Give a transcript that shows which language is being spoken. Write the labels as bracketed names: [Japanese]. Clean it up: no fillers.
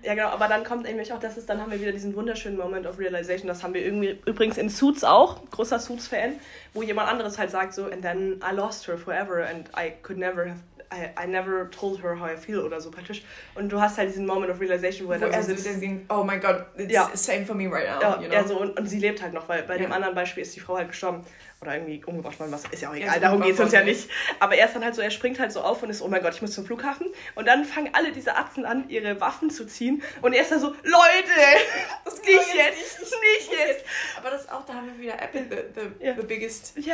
[German] Ja, genau, aber dann kommt nämlich auch, dann haben wir wieder diesen wunderschönen Moment of Realization. Das haben wir irgendwie übrigens in Suits auch, großer Suits-Fan, wo jemand anderes halt sagt so, [English] and then I lost her forever and I could never have, I never told her how I feel [German] oder so praktisch. Und du hast halt diesen Moment of Realization, wo er dann so sitzt. [English] Oh my god, it's same for me right now. [German] Ja, [English] you know? [German] Ja, so, und sie lebt halt noch, weil bei dem anderen Beispiel ist die Frau halt gestorben. Oder irgendwie umgebracht worden, was ist ja auch egal, darum geht es uns ja nicht. Aber er ist dann halt so, er springt halt so auf und ist, oh mein Gott, ich muss zum Flughafen. Und dann fangen alle diese Atzen an, ihre Waffen zu ziehen. Und er ist dann so, Leute, das nicht jetzt, nicht jetzt. Aber das auch, da haben wir wieder Apple, [English] the biggest